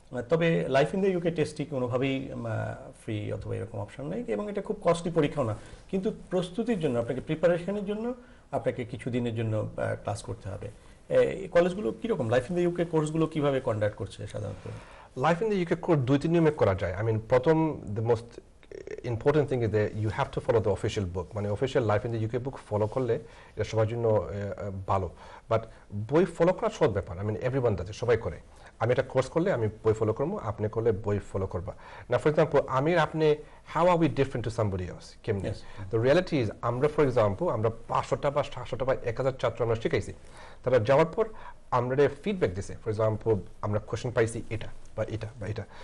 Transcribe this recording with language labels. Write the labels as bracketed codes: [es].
[bn] তবে life in the UK টেস্টটি কোনোভাবেই free অথবা এরকম অপশান নেই, এবং এটা খুব কস্টলি পরীক্ষাও না. কিন্তু প্রস্তুতির জন্য, আপনাকে প্রিপারেশনের জন্য আপনাকে কিছু দিনের জন্য ক্লাস করতে হবে. কলেজগুলো কীরকম, লাইফ ইন দ্য ইউকে কোর্সগুলো কীভাবে কন্ডাক্ট করছে সাধারণত? Life in the UK course দুই তিন নিয়মে করা যায়. [en] I mean [bn] প্রথম [en] the most important thing is that you have to follow the official book, মানে official life in the UK book follow [bn] করলে এটা সবার জন্য ভালো. বাট বই ফলো করা সব ব্যাপার, [en] I mean everyone does, [bn] সবাই করে. আমি একটা কোর্স করলে আমি বই ফলো করবো, আপনি করলে বই ফলো করবা না. ফর এক্সাম্পল আমি আর আপনি [en] how are we different to somebody else, [bn] কেমনে [en] the reality is, [bn] আমরা ফর এক্সাম্পল আমরা 500টা বা 600টা বা 1000 ছাত্র আমরা শিখাইছি, তারা যাওয়ার পর আমরা ফিডব্যাক দিছে, ফর এক্সাম্পল আমরা কোশ্চেন পাইছি এটা বা এটা বা এটা.